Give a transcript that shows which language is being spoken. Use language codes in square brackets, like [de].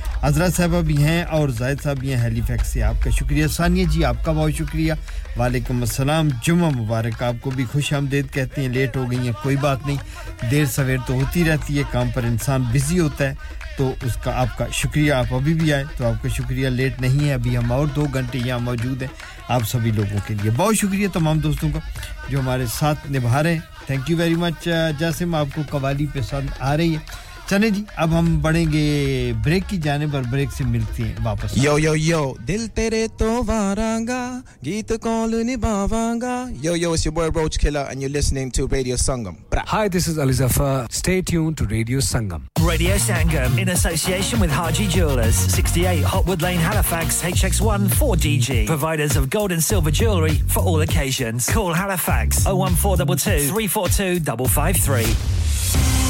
[ur] عزرا صاحبہ بھی ہیں اور زاہد صاحب بھی ہیں ہیلی فیکس سے آپ کا شکریہ ثانیہ جی آپ کا بہت شکریہ وعلیکم السلام جمعہ مبارک آپ کو بھی خوش آمدید کہتے ہیں لیٹ ہو گئی ہیں کوئی بات نہیں دیر سویر تو ہوتی رہتی ہے کام پر انسان بزی ہوتا ہے تو اس کا آپ کا شکریہ آپ ابھی بھی آئے تو آپ کا شکریہ لیٹ نہیں ہے ابھی ہم اور دو گھنٹے یہاں موجود ہیں آپ سبھی لوگوں کے لیے بہت شکریہ تمام دوستوں کا جو ہمارے ساتھ نبھا رہے ہیں [en] thank you very much [ur] Jasim آپ کو قوالی پسند آ رہی ہے چلے جی اب ہم بڑھیں گے بریک کی جانب اور بریک سے ملتے ہیں واپس [en] یو یو یو [pa] دل تیرے تو واراں گا گیت کال نبھاواں گا [en] Yo yo it's your boy Roach Killa and you are listening to Radio Sangam hi this is Ali Zafar stay tuned to Radio Sangam Radio Sangam, in association with Haji Jewelers. 68 Hotwood Lane, Halifax, HX1 4DG. Providers of gold and silver jewellery for all occasions. Call Halifax 01422 342553.